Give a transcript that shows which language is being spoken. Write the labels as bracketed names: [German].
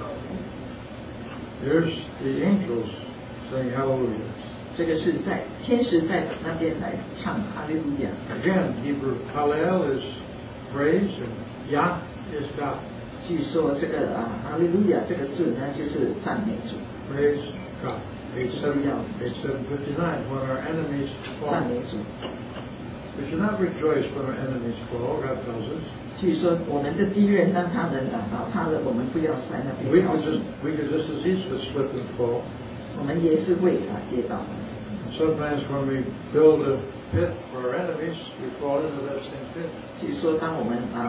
[Chinese] 第9章3节又说,哈利路亚,烧银子的天往上冒,到中。 [English] Here's the angels. Saying Hallelujah. [Chinese] 这个是在天使在那边来唱 Hallelujah. [English] Again, Hebrew Hallel is praise and Yah is God. [Chinese] 据说这个 Hallelujah 这个字呢就是赞美主. [English] Praise God. Page 759. When our enemies fall, [Chinese] 赞美主. [English] We should not rejoice when our enemies fall. God tells us. [Chinese] 据说我们的敌人当他们倒塌了，我们不要在那边高兴。 [English] We could just as easily slip and fall. Sometimes when we build a pit for our enemies, we fall into that same pit.